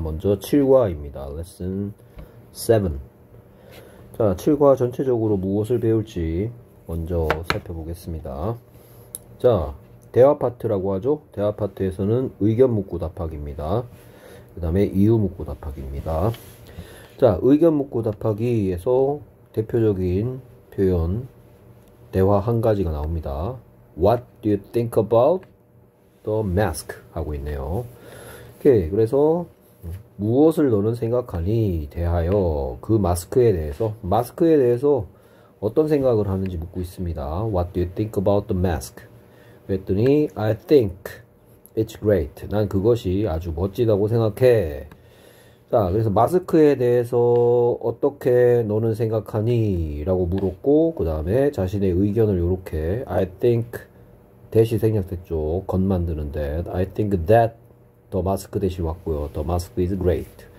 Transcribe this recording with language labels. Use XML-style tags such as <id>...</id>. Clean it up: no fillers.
<ko>먼저 7과입니다. 레슨 7. 자, 7과 전체적으로 무엇을 배울지 먼저 살펴보겠습니다. 자, 대화 파트라고 하죠. 대화 파트에서는 의견 묻고 답하기입니다. 그 다음에 이유 묻고 답하기입니다. 자, 의견 묻고 답하기에서 대표적인 표현, 대화 한 가지가 나옵니다.</ko> <en>What do you think about the mask?</en> <ko>하고 있네요. 오케이, 그래서 무엇을 너는 생각하니? 대하여 그 마스크에 대해서, 마스크에 대해서 어떤 생각을 하는지 묻고 있습니다.</ko> <en>What do you think about the mask?</en> <ko>그랬더니</ko> <en>I think it's great.</en> <ko>난 그것이 아주 멋지다고 생각해. 자, 그래서 마스크에 대해서 어떻게 너는 생각하니? 라고 물었고, 그 다음에 자신의 의견을 이렇게</ko> <en>I think</en> <ko>대시 생략됐죠. 겉 만드는데</ko> <en>I think that</en> <ko>더 마스크 대시 왔고요. 더 마스크</ko> <en>is great.</en>